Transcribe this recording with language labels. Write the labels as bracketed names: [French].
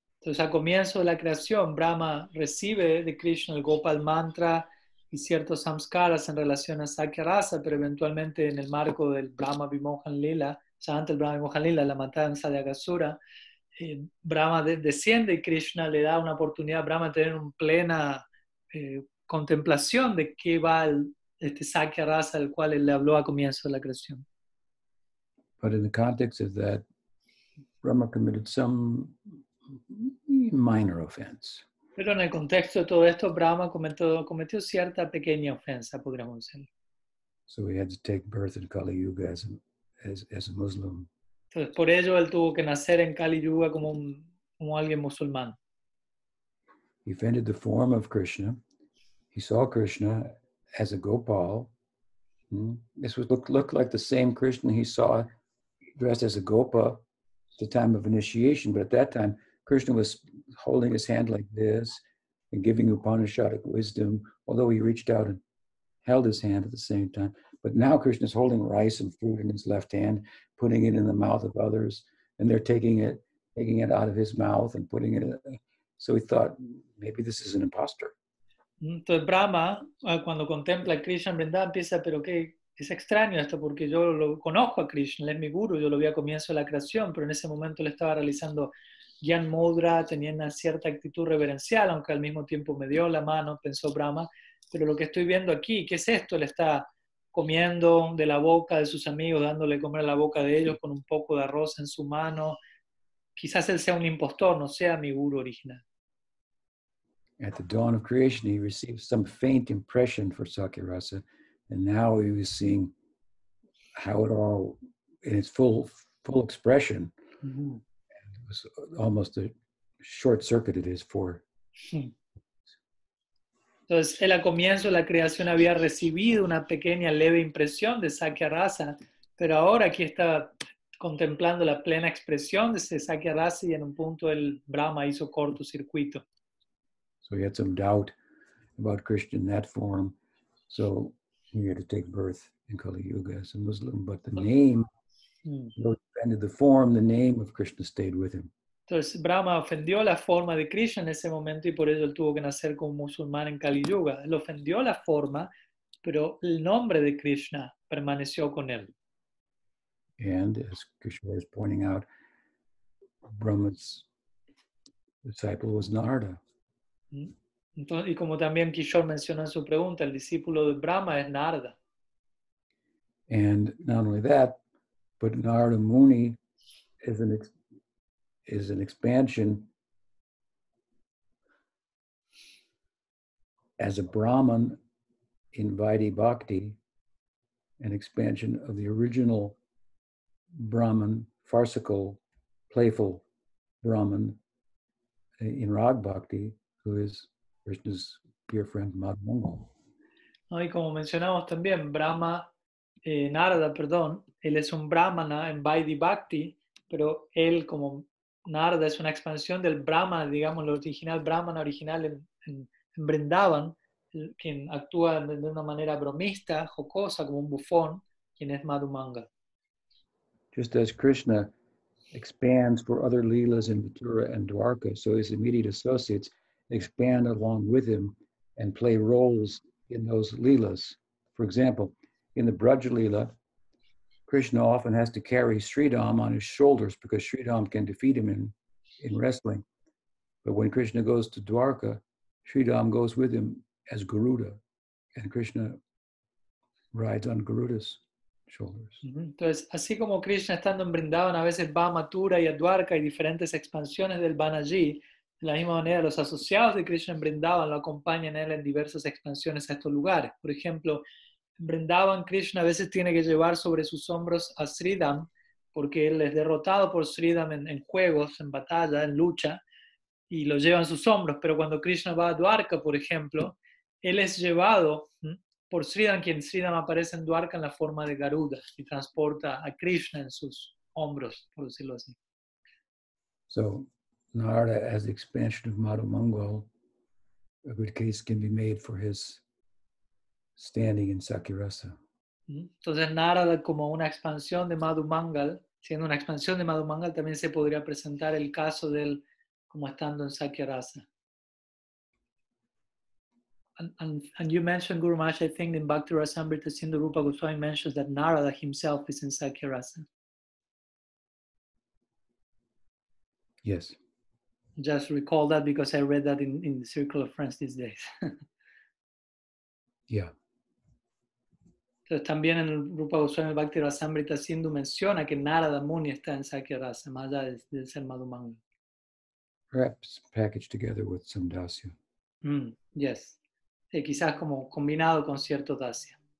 [Spanish] Entonces, al comienzo de la creación, Brahma recibe de Krishna el Gopal mantra y ciertos samskaras en relación a Sakyarasa, pero eventualmente en el marco del Brahma Vimohan Lila, o sea, antes del Brahma Vimohan Lila, la matanza de Agasura, Brahma desciende y Krishna le da una oportunidad a Brahma de tener una plena contemplación de qué va este Sakyarasa del cual él le habló al comienzo de la creación. [English] But in the context of that, Brahma committed some minor offense. [Spanish] Pero en el contexto de todo esto, Brahma cometió cierta pequeña ofensa, podríamos decir. [English] So he had to take birth in Kali Yuga as a Muslim. [Spanish] Entonces, por ello, él tuvo que nacer en Kali Yuga como alguien musulmán. [English] He offended the form of Krishna. He saw Krishna as a Gopal. This would look like the same Krishna he saw dressed as a Gopa at the time of initiation, but at that time, Krishna was holding his hand like this and giving Upanishadic wisdom, although he reached out and held his hand at the same time. But now Krishna is holding rice and fruit in his left hand, putting it in the mouth of others, and they're taking it out of his mouth and putting it in. So he thought, maybe this is an imposter. [Spanish] Entonces Brahma, cuando contempla a Krishna Vrindavan, empieza, pero qué es extraño esto, porque yo lo conozco a Krishna, él es mi guru, yo lo vi a comienzo de la creación, pero en ese momento le estaba realizando Gyan Mudra, tenía una cierta actitud reverencial, aunque al mismo tiempo me dio la mano, pensó Brahma, pero lo que estoy viendo aquí, ¿qué es esto? Le está comiendo de la boca de sus amigos, dándole comer a la boca de ellos con un poco de arroz en su mano. Quizás él sea un impostor, no sea mi guru original. [English] At the dawn of creation, he received some faint impression for Sakyarasa, and now he was seeing how it all, in its full expression, was almost a short circuit it is for. [Spanish] Entonces, él al comienzo de la creación había recibido una pequeña leve impresión de Sakyarasa, pero ahora aquí está contemplando la plena expresión de ese Sakyarasa y en un punto el Brahma hizo cortocircuito. [English] So he had some doubt about Krishna in that form, so he had to take birth in Kali Yuga as a Muslim, but the name, and the form, the name of Krishna stayed with him. [Spanish] Entonces Brahma ofendió la forma de Krishna en ese momento y por ello él tuvo que nacer como musulmán en Kali Yuga. Él ofendió la forma, pero el nombre de Krishna permaneció con él. [English] And as Krishna is pointing out, Brahma's disciple was Narada. [Spanish] Entonces, y como también Kishore mencionó en su pregunta, el discípulo de Brahma es Narada. [English] And not only that, but Narada Muni is an expansion as a Brahman in Vaidhi Bhakti, an expansion of the original Brahman, farcical, playful Brahman in Rag Bhakti, who is Krishna's dear friend Madh Mangal. [Spanish] No, y como mencionamos también, Brahma, Narada, perdón, él es un Brahmana en Vaidhi Bhakti, pero él como Narada es una expansión del Brahma, digamos, el original Brahmana original en Vrindavan, quien actúa de una manera bromista, jocosa, como un bufón, quien es Madhu Mangal. [English] Just as Krishna expands for other Leelas in Mathura and Dwarka, so his immediate associates expand along with him and play roles in those Leelas. For example, in the Braj Leela, Krishna often has to carry Sridham on his shoulders because Sridham can defeat him in wrestling. But when Krishna goes to Dwarka, Sridham goes with him as Garuda, and Krishna rides on Garuda's shoulders. [Spanish] Entonces, así como Krishna estando en Vrindavan a veces va a Mathura y a Dwarka y diferentes expansiones del Banaji, de la misma manera los asociados de Krishna en Vrindavan lo acompañan a él en diversas expansiones a estos lugares. Por ejemplo, en Vrindavan Krishna a veces tiene que llevar sobre sus hombros a Sridham porque él es derrotado por Sridham en juegos, en batalla, en lucha, y lo lleva en sus hombros. Pero cuando Krishna va a Dwarka, por ejemplo, él es llevado por Sridham, quien Sridham aparece en Dwarka en la forma de Garuda y transporta a Krishna en sus hombros, por decirlo así. [English] So, Narada as the expansion of Madhu Mangal, a good case can be made for his standing in Sakirasa. [Spanish] Entonces, Narada como una expansión de Madhu Mangal, siendo una expansión de Madhu Mangal, también se podría presentar el caso de él como estando en Sakirasa. [English] And you mentioned, Guru Maharaj, I think in Bhakti Rasamrita, Sindhu Rupa Goswami mentions that Narada himself is in Sakirasa. Yes. Just recall that because I read that in the Circle of Friends these days. Yeah. [Spanish] Entonces, también en Rupa Goswami Bhakti Rasamrita, Sindhu menciona que Narada Muni está en Sakirasa, más allá de ser Madhu Mangal. [English] Perhaps packaged together with some Dasya. Yes. [Spanish] Quizás como combinado con cierto dasya.